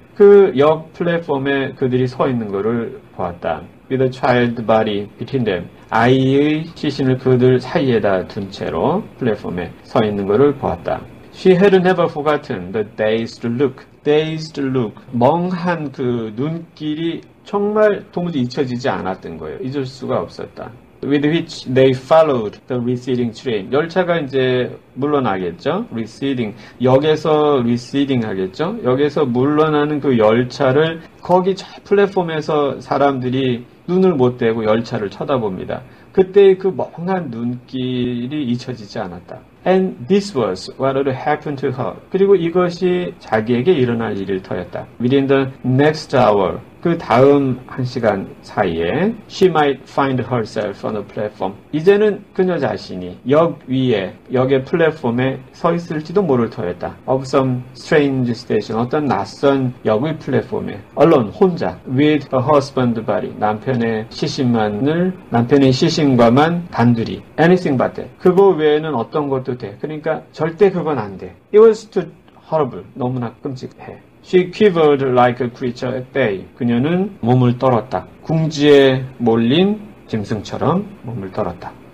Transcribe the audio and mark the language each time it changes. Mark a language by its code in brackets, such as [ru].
[ko] 그역 플랫폼에 그들이 서 있는 거를 보았다. [en] With a child body between them. [ko] 아이의 시신을 그들 사이에다 둔 채로 플랫폼에 서 있는 거를 보았다. [en] She had never forgotten the dazed look. Dazed look. [ko] 멍한 그 눈길이 정말 도무지 잊혀지지 않았던 거예요. 잊을 수가 없었다. [en] With which they followed the receding train. [ko] 열차가 이제 물러나겠죠? Receding. 역에서 receding 하겠죠? 역에서 물러나는 그 열차를 거기 저 플랫폼에서 사람들이 눈을 못 대고 열차를 쳐다봅니다. 그때 그 멍한 눈길이 잊혀지지 않았다. [en] And this was what had happened to her. [ko] 그리고 이것이 자기에게 일어날 일을 터였다. [en] Within the next hour. [ko] 그 다음 한 시간 사이에 [en] she might find herself on a platform. [ko] 이제는 그녀 자신이 역 위에, 역의 플랫폼에 서 있을지도 모를 터였다. [en] Of some strange station, [ko] 어떤 낯선 역의 플랫폼에 alone, 혼자, [en] with a husband body, [ko] 남편의 시신만을, 남편의 시신과만 단둘이. [en] Anything but that. [ko] 그거 외에는 어떤 것도 돼. 그러니까 절대 그건 안 돼. [en] It was too horrible. [ko] 너무나 끔찍해. [en] She quivered like a creature at bay. [ko] 그녀는 몸을 떨었다. 궁지에 몰린 짐승처럼 몸을 떨었다.